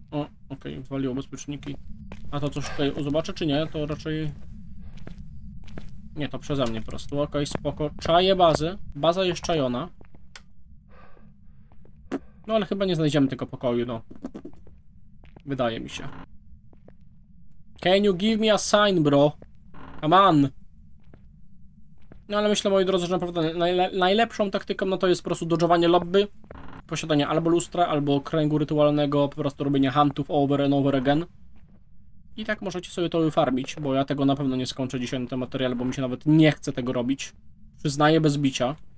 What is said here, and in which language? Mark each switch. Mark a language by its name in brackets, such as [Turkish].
[Polish] O, okej, waliło bezpieczniki. A to coś tutaj zobaczę, czy nie? To raczej... Nie, to przeze mnie po prostu. Okej, spoko. Czaje bazy. Baza jest czajona. No, ale chyba nie znajdziemy tego pokoju, no. Wydaje mi się. [English] Can you give me a sign, bro? Come on! [Polish] No, ale myślę, moi drodzy, że naprawdę najlepszą taktyką no to jest po prostu dodżowanie lobby, posiadanie albo lustra, albo kręgu rytualnego, po prostu robienie huntów [English] over and over again. [Polish] I tak możecie sobie to wyfarmić, bo ja tego na pewno nie skończę dzisiaj na ten materiał, bo mi się nawet nie chce tego robić. Przyznaję bez bicia.